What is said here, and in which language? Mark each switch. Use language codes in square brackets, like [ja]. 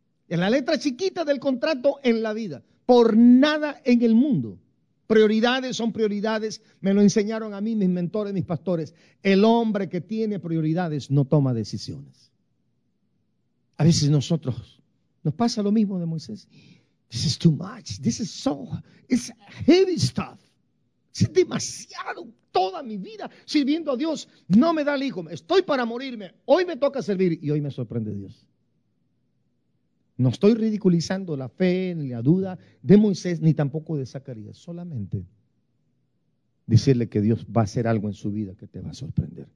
[es] En la letra chiquita del contrato en la vida. Por nada en el mundo. Prioridades son prioridades. Me lo enseñaron a mí, mis mentores, mis pastores. El hombre que tiene prioridades no toma decisiones. A veces nosotros nos pasa lo mismo de Moisés. [en] This is too much. This is so, it's heavy stuff. [es] Es demasiado. Toda mi vida sirviendo a Dios. No me da el hijo. Estoy para morirme. Hoy me toca servir y hoy me sorprende Dios. No estoy ridiculizando la fe ni la duda de Moisés ni tampoco de Zacarías. Solamente decirle que Dios va a hacer algo en su vida que te va a sorprender.